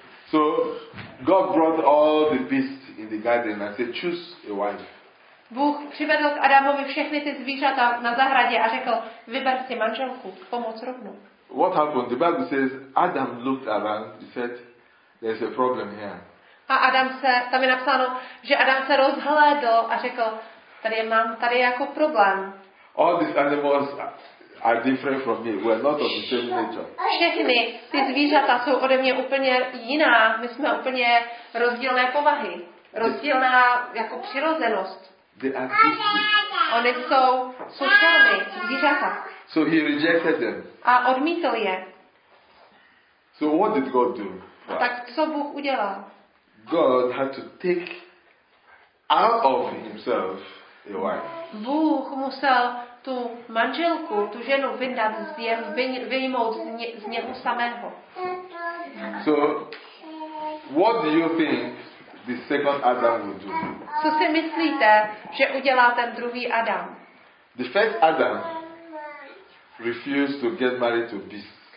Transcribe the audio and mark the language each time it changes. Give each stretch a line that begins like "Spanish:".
English: So God brought all the beasts in the garden and said, "Choose a wife."
Czech: Bůh přivedl k Adamovi všechny ty zvířata na zahradě a řekl: "Vyber si manželku, pomoc rovnou."
English: What happened? The Bible says Adam looked around, he said, "There's a problem here."
Czech: A Adam se, tam je napsáno, že Adam se rozhlédl a řekl: "Tady mám, tady je jako problém."
English: All these animals are different from me. We are not of the same nature.
Czech: Všechny ty zvířata jsou ode mě úplně jiná. My jsme úplně rozdílné povahy. Rozdílná jako přirozenost.
English: They are different.
Czech: Oni jsou sociální zvířata.
English: So he rejected them.
Czech: A odmítl je.
English: So what did God do?
Czech: Tak co Bůh udělal?
English: God had to take out of himself a wife.
Czech: Bůh musel tu manželku, tu ženu vyndat z vyjmout z něho samého.
English: So what do you think the second Adam would do?
Czech: Co si myslíte, že udělá ten druhý Adam?
English: The first Adam refused to get married to beasts.